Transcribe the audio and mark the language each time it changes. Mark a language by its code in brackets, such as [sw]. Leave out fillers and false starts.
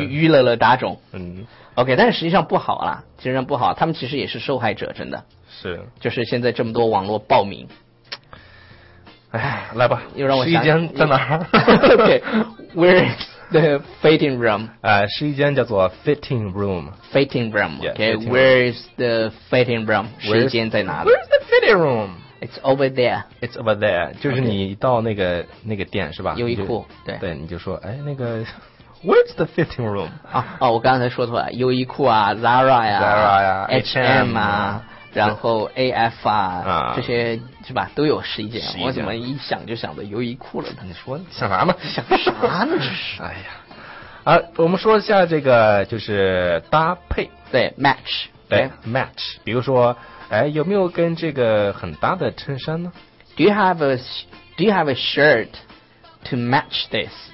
[zh] 娱乐了打种，OK， 但是实际上不好啦，实际上不好，他们其实也是受害者，真的是，就是现在这么多网络暴民，来吧，又让我试衣间在哪儿 [en] ？OK，Where？ The fitting room. [zh] 试衣间叫做 fitting room. [en] Fitting room. Yeah, okay, where is the fitting room? [zh] 试衣间在哪里？ [en] Where's the fitting room? It's over there. It's over there. [zh] 就是你到那个店是吧？优衣库。对。对，你就说，哎，那个 ， [en] Where's the fitting room? [zh] 啊，我刚才说错了，优衣库啊 ，Zara 呀，Zara 呀，H&M 啊。然后 AF 啊，这些是吧，都有试衣间。我怎么一想就想到优衣库了？你说想啥嘛？想啥呢？这是。哎呀，我们说一下这个就是搭配。对 ，match 对。对 ，match。比如说，哎，有没有跟这个很搭的衬衫呢 [en] ？Do you have a shirt to match this?